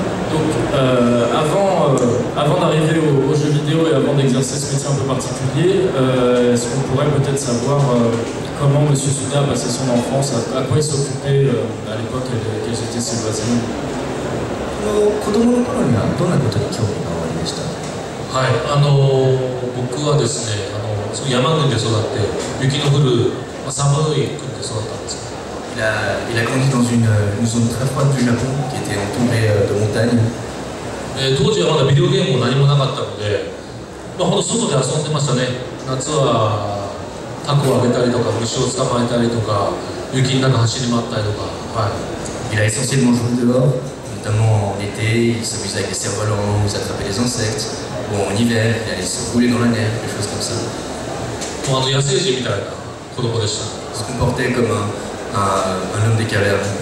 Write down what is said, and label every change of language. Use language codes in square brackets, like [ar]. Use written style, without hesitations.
[fr] Donc, avant d'arriver aux jeux vidéo et avant d'exercer ce métier un peu particulier, est-ce qu'on pourrait peut-être savoir comment M. Suda a passé son enfance, à quoi il s'occupait à l'époque, quels étaient ses voisins? [ja] 子供の頃にはどんなことに興味がおありでした？はい、僕はですね、山国で育って、雪の降る、まあ、寒い国で育ったんですよ。 [fr] Il a grandi dans une zone très froide du Japon, qui était entourée de montagnes. [ja] 当時はまだビデオゲームも何もなかったので、まあ、ほんと外で遊んでましたね。夏はタコをあげたりとか、虫を捕まえたりとか、雪の中走り回ったりとか、はい。 [fr] Il a essentiellement joué dehors, notamment en été, il s'amusait avec les cerfs-volants, ils attrapaient des insectes, ou en hiver, il allait se rouler dans la neige, des choses comme ça. Il se comportait comme un homme des cavernes.